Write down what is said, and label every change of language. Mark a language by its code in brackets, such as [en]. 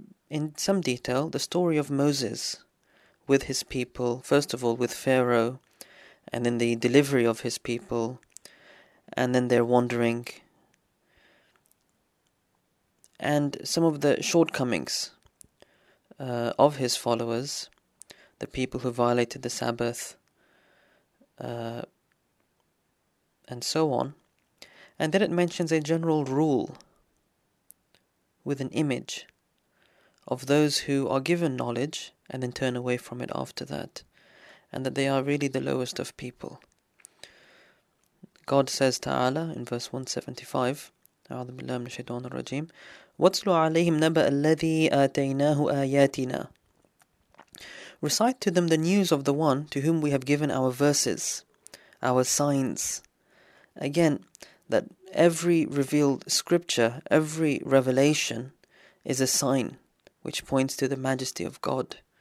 [en] in some detail the story of Moses with his people, first of all with Pharaoh, and then the delivery of his people, and then their wandering, and some of the shortcomings of his followers, the people who violated the Sabbath, and so on. And then it mentions a general rule with an image of those who are given knowledge and then turn away from it after that, and that they are really the lowest of people. God says Ta'ala in verse 175, [ar] أعوذ بالله من الشيطان الرجيم وَاتْلُ عَلَيْهِمْ نَبَأَ الَّذِي آتَيْنَاهُ آيَاتِنَا. [en] Recite to them the news of the one to whom we have given our verses, our signs. Again, that every revealed scripture, every revelation is a sign which points to the majesty of God.